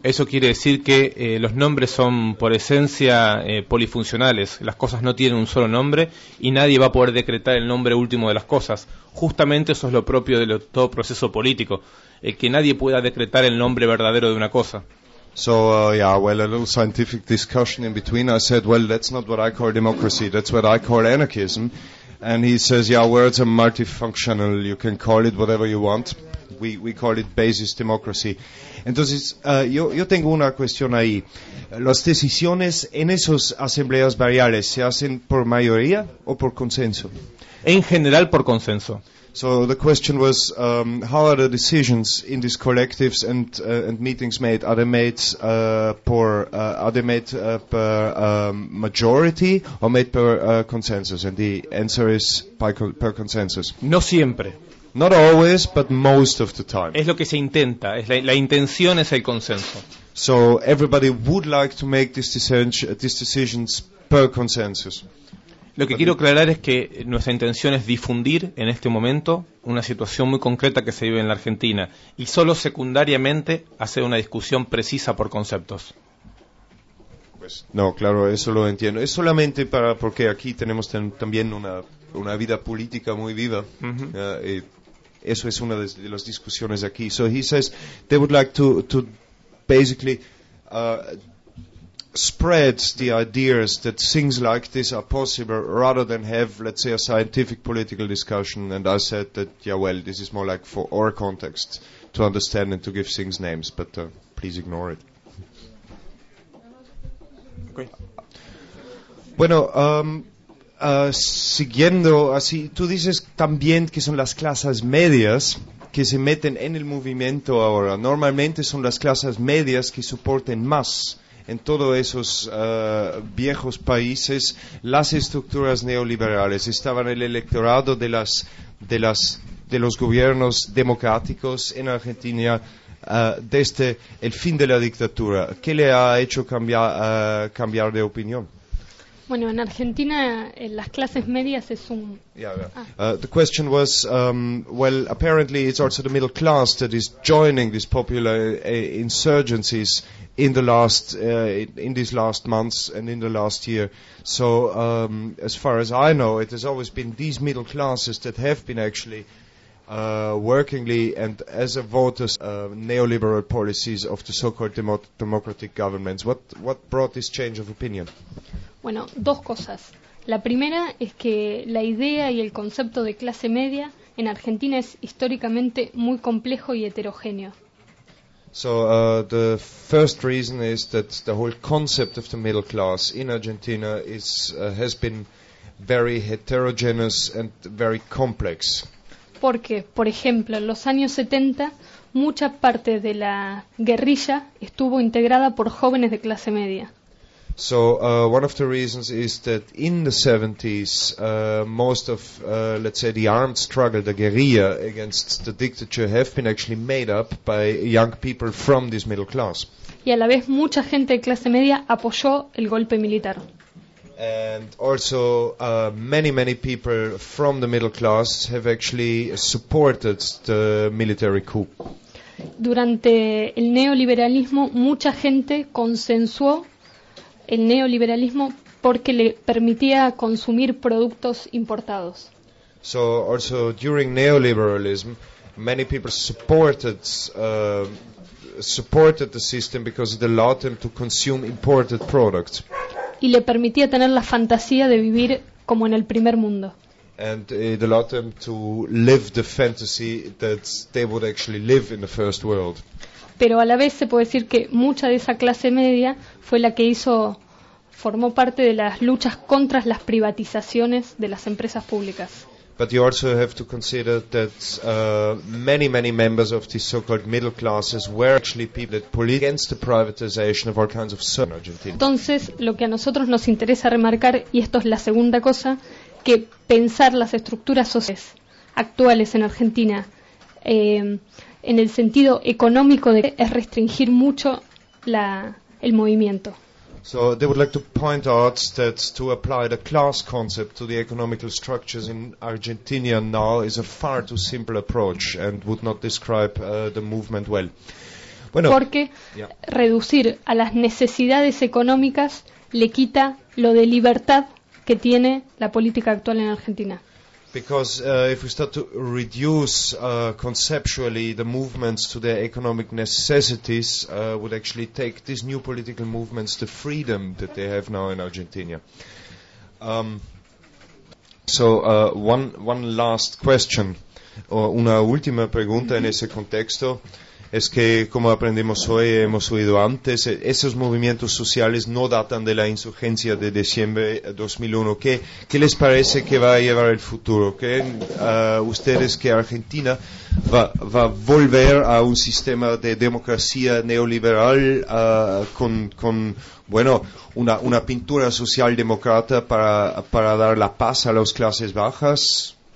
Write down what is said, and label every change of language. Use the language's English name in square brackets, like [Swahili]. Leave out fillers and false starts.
[Spanish] Eso quiere decir que los nombres son, por esencia, polifuncionales. Las cosas no tienen un solo nombre y nadie va a poder decretar el nombre último de las cosas. Justamente eso es lo propio de todo proceso político. Que nadie pueda decretar el nombre verdadero de una cosa. [English] So, a little scientific discussion in between. I said, well, that's not what I call democracy. That's what I call anarchism. And he says, yeah, words are multifunctional. You can call it whatever you want. We call it basis democracy. [Spanish] Entonces, yo tengo una cuestión ahí. ¿Las decisiones en esas asambleas barriales se hacen por mayoría o por consenso? En general, por consenso. [English] So the question was, how are the decisions in these collectives and meetings made? Are they made majority or made per consensus? And the answer is per consensus. [Spanish] No siempre. [English] Not always, but most of the time. [Spanish] Es lo que se intenta. Es la intención es el consenso. [English] So everybody would like to make these decisions per consensus. [Spanish] Lo que quiero aclarar es que nuestra intención es difundir en este momento una situación muy concreta que se vive en la Argentina y solo secundariamente hacer una discusión precisa por conceptos. Pues, no, claro, eso lo entiendo. Es solamente para porque aquí tenemos también una vida política muy viva. Uh-huh. Eso es una de las discusiones aquí. [English] So he says they would like to basically spread the ideas that things like this are possible rather than have, let's say, a scientific political discussion. And I said that, yeah, well, this is more like for our context to understand and to give things names, but please ignore it. Okay. [Spanish] Bueno, siguiendo así, tú dices también que son las clases medias que se meten en el movimiento ahora. Normalmente son las clases medias que soporten más en todos esos viejos países, las estructuras neoliberales estaban en el electorado de los gobiernos democráticos en Argentina desde el fin de la dictadura. ¿Qué le ha hecho cambiar de opinión? Bueno, en Argentina, en las clases medias es un... [English] The question was, well, apparently it's also the middle class that is joining these popular insurgencies in the last, in these last months and in the last year. So, as far as I know, it has always been these middle classes that have been actually workingly and as a voters neoliberal policies of the so-called democratic governments. What brought this change of opinion? [Spanish] Bueno, dos cosas. La primera es que la idea y el concepto de clase media en Argentina es históricamente muy complejo y heterogéneo. [English] So, the first reason is that the whole concept of the middle class in Argentina is has been very heterogeneous and very complex. [Spanish] Porque, por ejemplo, en los años 70, mucha parte de la guerrilla estuvo integrada por jóvenes de clase media. [English] So one of the reasons is that in the 70s, most of, let's say, the armed struggle, the guerrilla against the dictature, have been actually made up by young people from this middle class. [Spanish] Y a la vez mucha gente de clase media apoyó el golpe militar. [English] And also many, many people from the middle class have actually supported the military coup. [Spanish] Durante el neoliberalismo, mucha gente consensuó el neoliberalismo porque le permitía consumir productos importados. [English] So also during neoliberalism, many people supported the system because it allowed them to consume imported products. [Spanish] Y le permitía tener la fantasía de vivir como en el primer mundo. [English] And it allowed them to live the fantasy that they would actually live in the first world. [Spanish] Pero a la vez se puede decir que mucha de esa clase media fue la que hizo formó parte de las luchas contra las privatizaciones de las empresas públicas. [English] But you also have to consider that many, many members of these so-called middle classes were actually people that pulled against the privatization of all kinds of services in Argentina. [Spanish] Entonces, lo que a nosotros nos interesa remarcar, y esto es la segunda cosa, que pensar las estructuras sociales actuales en Argentina en el sentido económico de es restringir mucho el movimiento. [English] So they would like to point out that to apply the class concept to the economical structures in Argentina now is a far too simple approach and would not describe the movement well. [Spanish] Bueno, porque reducir a las necesidades económicas le quita lo de libertad que tiene la política actual en Argentina. [English] Because if we start to reduce conceptually the movements to their economic necessities, would actually take these new political movements the freedom that they have now in Argentina. So one last question, [Spanish] o una última pregunta en ese contexto, es que como aprendimos hoy, hemos oído antes, esos movimientos sociales no datan de la insurgencia de diciembre de 2001. ¿Qué les parece que va a llevar el futuro? ¿Creen ustedes que Argentina va a volver a un sistema de democracia neoliberal con una pintura socialdemócrata para dar la paz a las clases bajas?